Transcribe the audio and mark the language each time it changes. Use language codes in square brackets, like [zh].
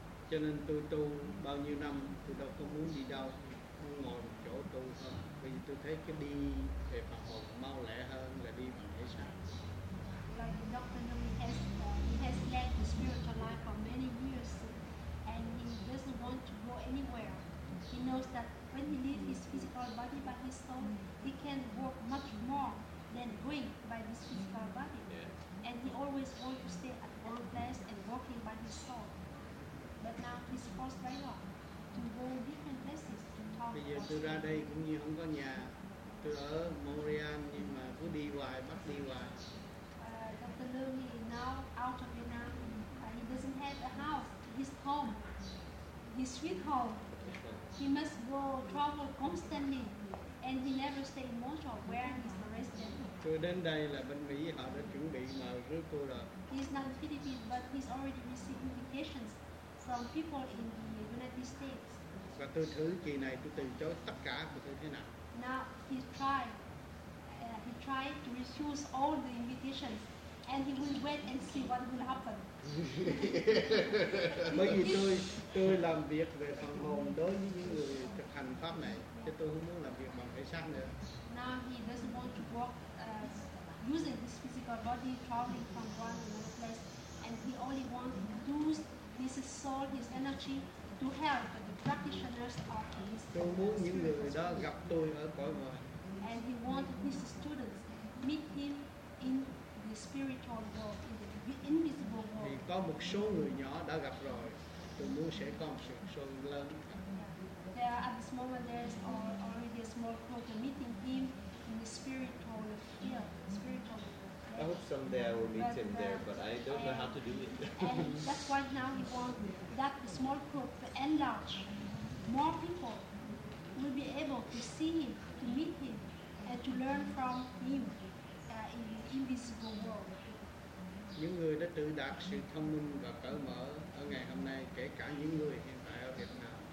[vi] Cho nên tôi tu bao nhiêu năm, tôi đâu có muốn đi đâu, muốn ngồi một chỗ tu thôi. Vì tôi thấy cái đi về phần hồn mau lẹ hơn là đi bằng thể xác. [en] Like the doctor, he has led the spiritual life for many years, and he doesn't want to go anywhere. He knows that when he leaves his physical body by his soul, he can work much more than going by this physical body. Yeah. And he always wants to stay at one place and working by his soul. But now he's forced by God to go different places to talk. [vi] Bây giờ tôi ra đây cũng như không có nhà, tôi ở Montreal nhưng mà cứ đi hoài, bắt đi hoài. [en] Dr. Lu, he is now out of Vietnam. He doesn't have a house, his home, his sweet home. He must go travel constantly, and he never stay in Montreal, where he is a resident. [vi] Tôi đến đây là bên Mỹ, họ đã chuẩn bị mà rước cô rồi. [en] He is not in Philippines, but he's already received invitations from people in the United States. [vi] Và tôi thử kỳ này, tôi từ chối tất cả của tôi thế nào? [en] Now he tried to refuse all the invitations. And he will wait and see what will happen. [vi] Bởi vì tôi làm việc về phần hồn đối với những người thực hành pháp này, chứ tôi không muốn làm việc bằng thể xác nữa. [en] Now he doesn't want to work using his physical body, traveling from one to another place, and he only wants to use his soul, his energy to help the practitioners of his. [vi] Tôi muốn những người đó gặp tôi ở cõi ngoài. [en] And he wants his students, meet him in the spiritual world, in the invisible world. [vi] Thì có một số người nhỏ đã gặp rồi, tôi muốn sẽ có một số người lớn. [en] There at this moment there's already a small group meeting him in the spiritual field, spiritual field. I hope someday I will meet him there, but I don't know how to do it. And that's why now we want that the small group enlarge, more people will be able to see him, to meet him, and to learn from him in the invisible world. [vi] Những người đã tự đạt sự thông minh và cởi mở ở ngày hôm nay, kể cả những người hiện tại ở Việt Nam.